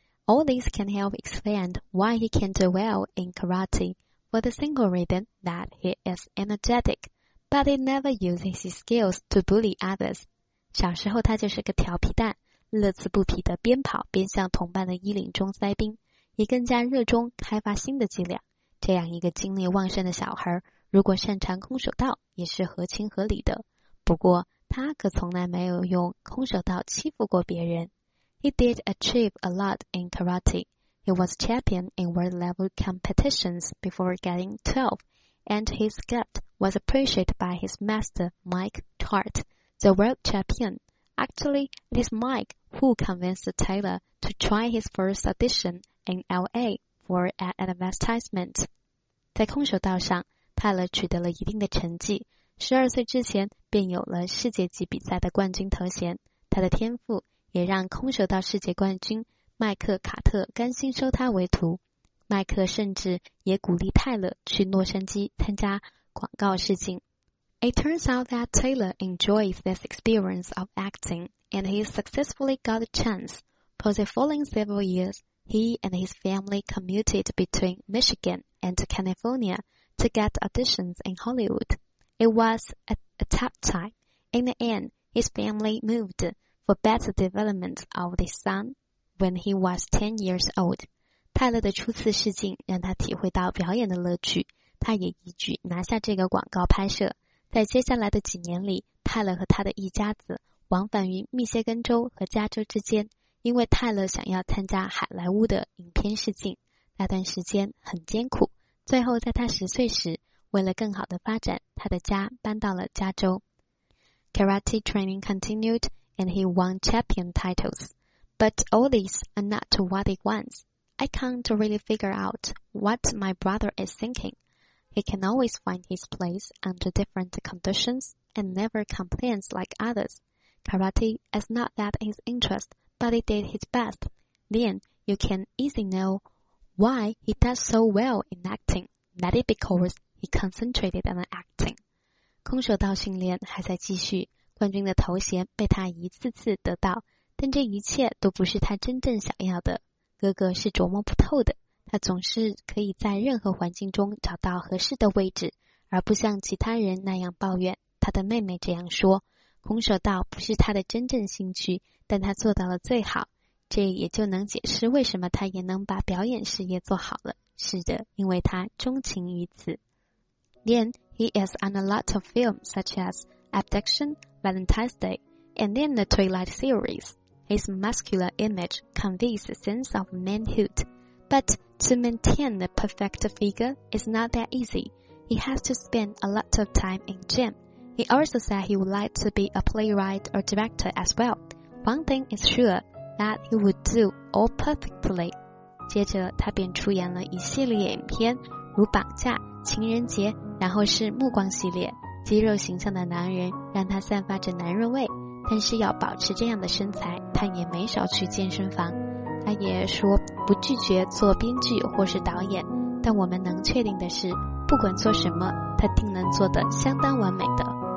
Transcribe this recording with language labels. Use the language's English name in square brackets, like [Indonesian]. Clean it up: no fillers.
[English] All this can help explain why he can do well in karate for the single reason that he is energetic, but he never uses his skills to bully others. [Chinese] 小时候他就是个调皮蛋，乐此不疲地边跑边向同伴的衣领中塞冰，也更加热衷开发新的伎俩。这样一个精力旺盛的小孩，如果擅长空手道也是合情合理的。不过他可从来没有用空手道欺负过别人。 [English] He did achieve a lot in karate. He was champion in world-level competitions before getting 12, and his gift was appreciated by his master, Mike Tart, the world champion. Actually, it is Mike who convinced Taylor to try his first audition in LA for an advertisement. [Chinese] 在空手道上，泰勒取得了一定的成绩，12岁之前便有了世界级比赛的冠军头衔。他的天赋也让空手道世界冠军麦克·卡特甘心收他为徒。麦克甚至也鼓励泰勒去洛杉矶参加广告试镜。 [English] It turns out that Taylor enjoys this experience of acting, and he successfully got a chance. For the following several years, he and his family commuted between Michigan and California to get auditions in Hollywood. It was a tough time. In the end, his family movedfor better development of the son when he was 10 years old. [Chinese] 泰勒的初次试镜让他体会到表演的乐趣，他也一举拿下这个广告拍摄。在接下来的几年里，泰勒和他的一家子往返于密歇根州和加州之间，因为泰勒想要参加好莱坞的影片试镜。那段时间很艰苦，最后在他十岁时，为了更好的发展，他的家搬到了加州。 [English] Karate training continued,and he won champion titles. But all these are not what he wants. I can't really figure out what my brother is thinking. He can always find his place under different conditions and never complains like others. Karate is not that his interest, but he did his best. Then you can easily know why he does so well in acting. That is because he concentrated on acting. [Chinese] 空手道训练还在继续，冠军的头衔被他一次次得到，但这一切都不是他真正想要的。哥哥是琢磨不透的，他总是可以在任何环境中找到合适的位置，而不像其他人那样抱怨。他的妹妹这样说，空手道不是他的真正兴趣，但他做到了最好。这也就能解释为什么他也能把表演事业做好了。是的，因为他钟情于此。 [English] Then he is on a lot of films such as Abduction,Valentine's Day, and then the Twilight series. His muscular image conveys a sense of manhood. But to maintain the perfect figure is not that easy. He has to spend a lot of time in gym. He also said he would like to be a playwright or director as well. One thing is sure, that he would do all perfectly. [Chinese] 接着他便出演了一系列影片，如绑架、情人节，然后是暮光系列。肌肉形象的男人让他散发着男人味，但是要保持这样的身材，他也没少去健身房。他也说不拒绝做编剧或是导演，但我们能确定的是，不管做什么，他定能做得相当完美的。